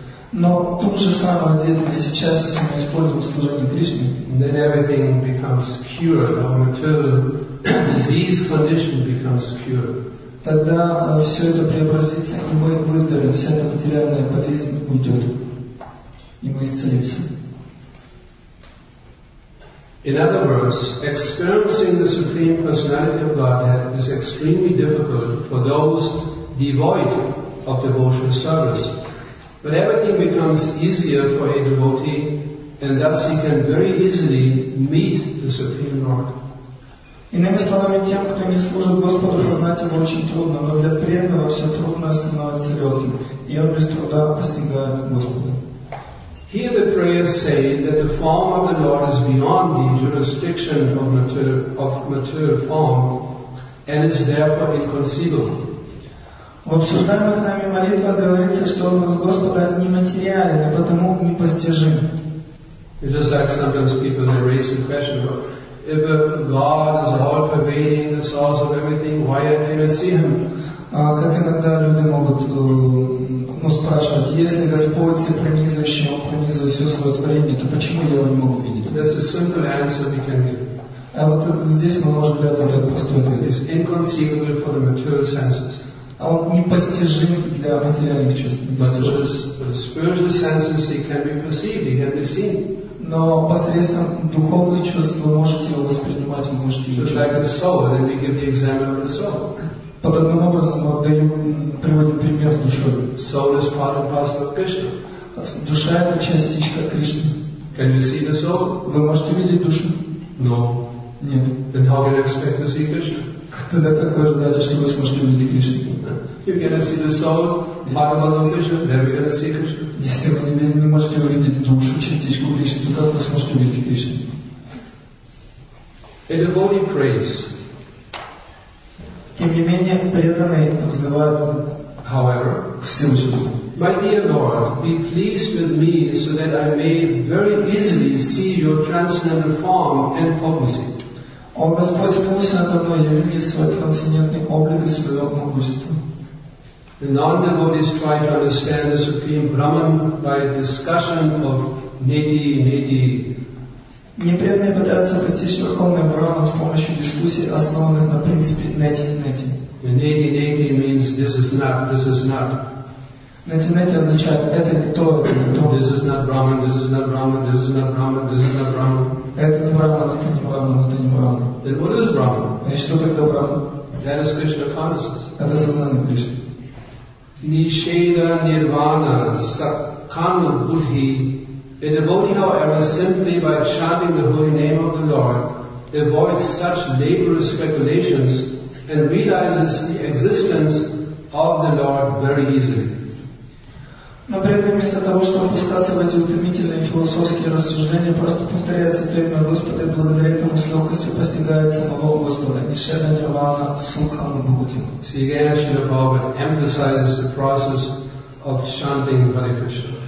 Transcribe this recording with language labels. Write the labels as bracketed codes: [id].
[ru] Но ту же самую деятельность сейчас, если мы используем служение Кришне, [en] then everything becomes cured. Our material disease condition becomes cured. [ru] Тогда все это преобразится, и мы выздоровеем, вся эта материальная болезнь уйдет, и мы исцелимся. [en] In other words, experiencing the Supreme Personality of Godhead is extremely difficult for those devoid of devotional service. But everything becomes easier for a devotee, and thus he can very easily meet the Supreme Lord. [ru] Иными словами, тем, кто не служит Господу, познать его очень трудно, но для преданного все трудно становится легким, и он без труда постигает Господа. [en] Here the prayers say that the form of the Lord is beyond the jurisdiction of material form and is therefore inconceivable. [ru] В обсуждаемых нами молитвах говорится, что образ Господа нематериален, а потому непостижим. [en] It's just like sometimes people they raise the question, but if a God is all-pervading, the source of everything, why are they not see Him? [ru] Как иногда люди могут спрашивать, если Господь всепронизывающий, Он пронизывает все свое творение, то почему я его не могу видеть? [en] That's a simple answer we can give. [ru] А вот здесь мы можем для этого дать простой ответ. [en] It's inconceivable for the material senses. [ru] А он непостижим для материальных чувств. [en] Spiritual senses he can be perceived, he can be seen. [ru] Но посредством духовных чувств вы можете его воспринимать, вы можете его чувствовать. [en] Just like the soul, then we give the example of the soul. [ru] Подобным образом мы приводим пример с душой. [en] Soul is part and parcel of Krishna. [ru] Душа это частичка Кришны. [en] Can you see the soul? [ru] Вы можете видеть душу? [en] No. [ru] Нет. [en] Then how can you expect to see Krishna? [ru] Тогда как вы ожидаете, что вы сможете увидеть Кришну? [en] You cannot see the soul, part and parcel of Krishna, then we cannot see Krishna. [ru] Если вы не можете увидеть душу, частичку Кришны, то как вы сможете увидеть Кришну? [en] A devotee prays. [ru] Тем не менее, преданные взывают [en] however, [ru] Всевышнего. [en] My dear Lord, be pleased with me so that I may very easily see your transcendental form and potency. [ru] О Господь, помилуйся надо мной, яви свой трансцендентный облик и свое могущество. [en] The non-devotees try to understand the Supreme Brahman by discussion of neti-neti. [ru] Непреданные пытаются постичь Верховный Брахман с помощью дискуссий, основанных на принципе нети-нети. [en] Нети-нети means this is not, this is not. [ru] Нети-нети означает это не то, это не то. [en] This is not Brahman, this is not Brahman, this is not Brahman, this is not Brahman. [ru] Это не Брахман, это не Брахман, это не Брахман. [en] Then what is Brahman? [ru] И что тогда Брахман? [en] That is Krishna consciousness. [ru] Это сознание Кришны. [sa] Нишеда нирвана саккану будхи. [en] A devotee, however, simply by chanting the holy name of the Lord, avoids such laborious speculations and realizes the existence of the Lord very easily. [ru] Но преданный вместо того, чтобы пускаться в эти утомительные философские рассуждения, просто повторяет святое Господа и благодаря этому с легкостью постигает самого Господа. [sa] Нишеда нирвана сукхам будхи. [en] See again, Srila Prabhupada emphasizes the process of chanting Hare Krishna.